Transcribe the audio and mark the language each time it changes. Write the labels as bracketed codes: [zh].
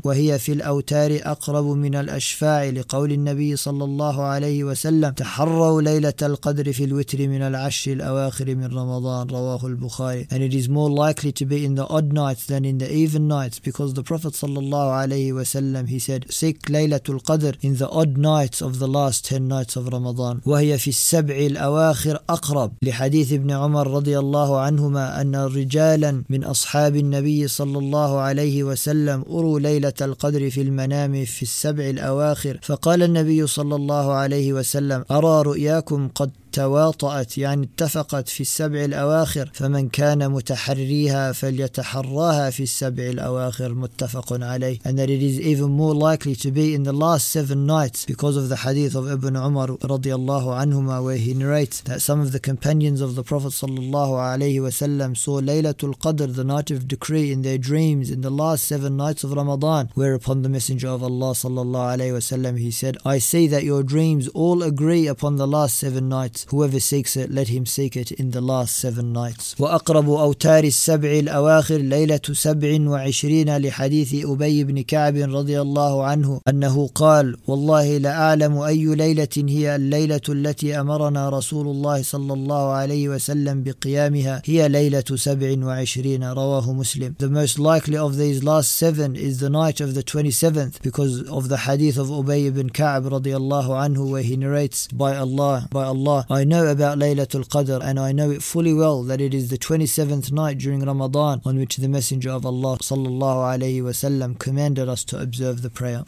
[ar] وَهِيَ فِي الْأَوْتَارِ أَقْرَبُ مِنَ الْأَشْفَاعِ لِقَوْلِ النَّبِيِّ صلى الله عليه وسلم تَحَرَّوا لَيْلَةَ الْقَدْرِ فِي الْوِتْرِ مِنَ الْعَشْرِ الْأَوَاخِرِ مِنْ رَمَضَانَ رَوَاهُ الْبُخَارِ. [en] And it is more likely to be in the odd nights than in the even nights, because the Prophet صلى الله عليه وسلم, he said, seek Laylatul Qadr in the odd nights of the last 10 nights of Ramadan. [ar] وَهِيَ فِي السَّبْعِ الْأَوَاخِرِ أَقْرَبُ لِحَدِيثِ ابْنِ عُمَرَ رَضِيَ اللَّهُ عَنْهُمَا أَنَّ رِجَالًا مِنْ أَصْحَابِ النَّبِيِّ صَلَّى اللَّهُ عَلَيْهِ وَسَلَّمَ أُرُوا لَيْلَةَ الْقَدْرِ فِي الْمَنَامِ فِي السَّبْعِ الْأَوَاخِرِ فَقَالَ النَّبِيُّ صَلَّى اللَّهُ عَلَيْهِ وَسَلَّمَ أَرَى رُؤْيَاكُمْ قَدْ تواطأت, يعني اتفقت في السبع الأواخر, فمن كان متحريها فليتحراها في السبع الأواخر, متفق عليه. [en] And that it is even more likely to be in the last seven nights, because of the hadith of Ibn Umar رضي الله عنهما, where he narrates that some of the companions of the Prophet صلى الله عليه وسلم saw Laylatul Qadr, the night of decree, in their dreams in the last seven nights of Ramadan, whereupon the Messenger of Allah صلى الله عليه وسلم, he said, I see that your dreams all agree upon the last seven nights. Whoever seeks it, let him seek it in the last 7 nights. [ar] وأقرب أوتار السبع الأواخر ليلة سبع وعشرين لحديث أبي بن كعب رضي الله عنه أنه قال والله لا أعلم أي ليلة هي الليلة التي أمرنا رسول الله صلى الله عليه وسلم بقيامها هي ليلة سبع وعشرين رواه مسلم. [en] The most likely of these last 7 is the night of the 27th because of the hadith of Ubay ibn Ka'b radiallahu anhu where he narrates by Allah I know about Laylatul Qadr and I know it fully well that it is the 27th night during Ramadan on which the Messenger of Allah sallallahu alayhi wa sallam commanded us to observe the prayer.